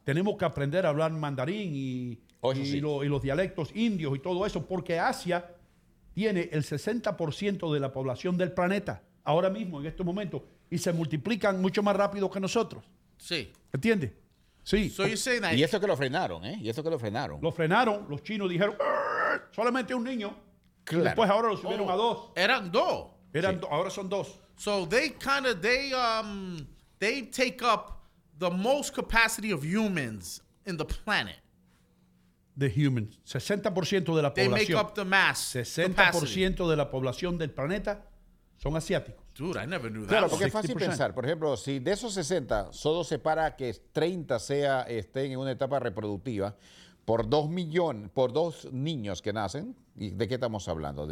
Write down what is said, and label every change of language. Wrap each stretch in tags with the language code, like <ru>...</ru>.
<es>tenemos que aprender a hablar mandarín y los dialectos indios y todo eso, porque Asia tiene el 60% de la población del planeta ahora mismo, en estos momentos, y se multiplican mucho más rápido que nosotros. Sí. ¿Entiendes? Sí.</es> <en>So you're saying that</en> <es>Y eso que lo frenaron. Lo frenaron. Los chinos dijeron, solamente un niño. Claro. Y después ahora lo subieron a dos. Eran dos. Ahora son dos.</es> <en>So they take up the most capacity of humans in the planet. The humans.</en> <es>60% de la</es> <en>they</en> <es>población.</es> <en>They make up the mass. 60% capacity.</en> <es>De la población del planeta son asiáticos.</es> <en>Dude, I never knew that.</en> <es>Claro, porque es fácil pensar. Por ejemplo, si de esos 60, solo se para que 30 estén en una etapa reproductiva, por 2 niños que nacen, ¿y de qué estamos hablando?</es>